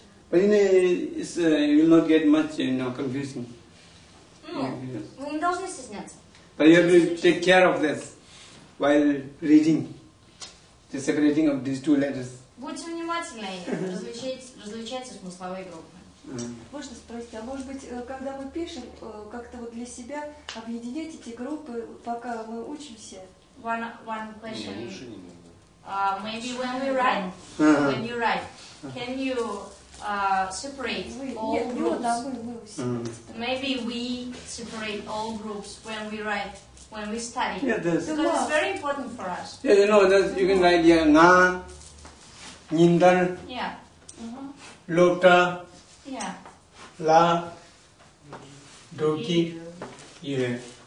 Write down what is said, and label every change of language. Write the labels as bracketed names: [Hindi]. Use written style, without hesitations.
[English] But in a, it's, you will not get much, you know, confusing. [Russian] Ну, вы не должны стесняться. [English] But you have to take care of this while reading. The separating of these two letters. [Russian] Да. Будьте внимательны, различайте смысловые группы. Можно спросить, а может быть, когда мы пишем, как-то вот для себя объединять эти группы, пока мы учимся? [English] One question. Maybe when we write, when you write, can you separate all groups? Maybe we separate all groups when we write, when we study. Yeah, because it's very important for us. Yeah, you know, that you can write here, Nga, Nindal, Lota, La, Doki, Yue.